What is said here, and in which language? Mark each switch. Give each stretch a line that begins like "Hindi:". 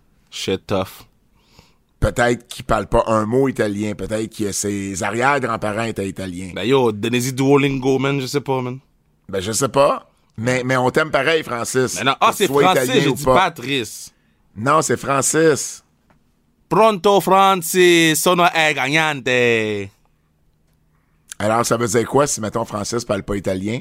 English: Shit tough.
French: Peut-être qu'il parle pas un mot italien. Peut-être que ses arrière-grands-parents étaient italiens. Ben yo, Denise Duolingo, man, je sais pas, man. Ben je sais pas. Mais on t'aime pareil, Francis. Ben non. Ah, c'est Francis, italien, j'ai dit pas. Patrice. Non, c'est Francis.
Italian: Pronto, Francis, sono un
French: gagnante. Alors, ça veut dire quoi si, mettons, Francis parle pas italien?